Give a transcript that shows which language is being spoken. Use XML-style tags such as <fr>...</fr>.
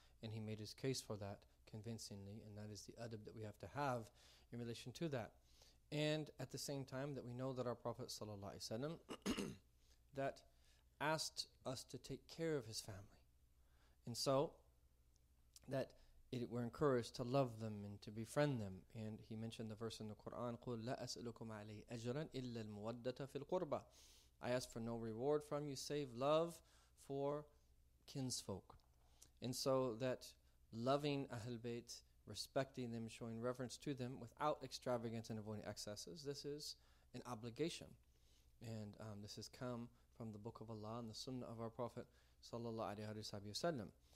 <en>And he made his case for that convincingly, and that is the adab that we have in relation to that. And at the same time that we know that our Prophet ﷺ that asked us to take care of his family. And so that we're encouraged to love them and to befriend them. And he mentioned the verse in the Quran,</en> <ar>قُلْ لَا أَسْأَلُكُمْ عَلَيْهِ أَجْرًا إِلَّا الْمُوَدَّةَ فِي الْقُرْبَى.</ar> <en>I ask for no reward from you, save love for kinsfolk. And so that loving Ahl Bayt, respecting them, showing reverence to them without extravagance and avoiding excesses, this is an obligation. And this has come from the Book of Allah and the Sunnah of our Prophet sallallahu alaihi wasallam.</en>